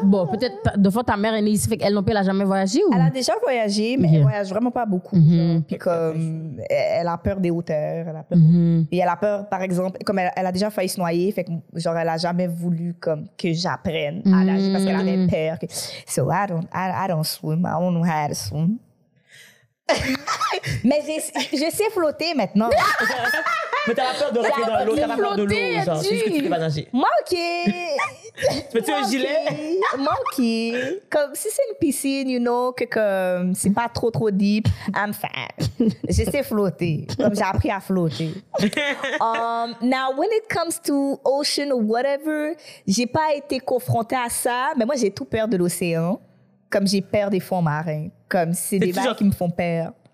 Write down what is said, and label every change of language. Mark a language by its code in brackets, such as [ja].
[fr] Bon, peut-être, de fois, ta mère est née ici, fait qu'elle non plus, elle n'a jamais voyagé ou... Elle a déjà voyagé, mais elle ne voyage vraiment pas beaucoup. Mm-hmm. Puis comme, elle a peur des hauteurs. Elle a peur. Mm-hmm. Et elle a peur, par exemple, comme elle a déjà failli se noyer, fait que, genre, elle n'a jamais voulu comme, que j'apprenne à nager parce qu'elle avait peur. Que... [en] So, I don't swim. I don't know how to swim. [fr] Mais je sais flotter maintenant. Mais t'as la peur de rentrer dans l'eau, t'as la peur de l'eau, genre, tu... juste que tu vas nager. Moi, OK. Tu veux-tu un gilet? Moi, OK. Comme si c'est une piscine, [en] you know, [fr] que comme c'est pas trop, trop deep, [en] I'm fine. [fr] Je sais flotter, comme j'ai appris à flotter. [en] Now, when it comes to ocean or whatever, [fr] j'ai pas été confrontée à ça, mais moi, j'ai tout peur de l'océan, comme j'ai peur des fonds marins, comme c'est des vagues qui me font peur.